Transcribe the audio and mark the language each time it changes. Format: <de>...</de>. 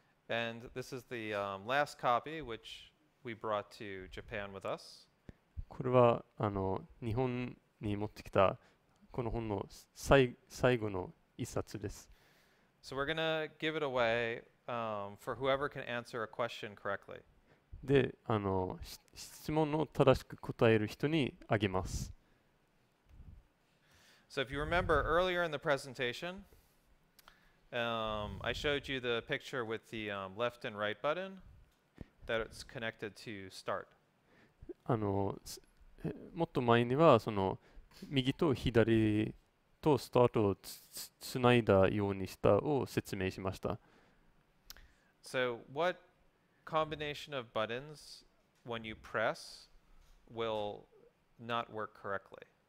<en>And this is the last copy which we brought to Japan with us.</en> <ja>これはあの日本に持ってきたこの本の最後の一冊です。</ja> <en>So we're gonna give it away for whoever can answer a question correctly.</en> <ja>で、あの質問の正しく答える人にあげます。</ja> <en>So if you remember earlier in the presentation, I showed you the picture with the left and right button that it's connected to start.</en> <ja>あのもっと前にはその右と左とスタートをつないだようにしたを説明しました。</ja> <en>So what combination of buttons when you press will not work correctly?</en>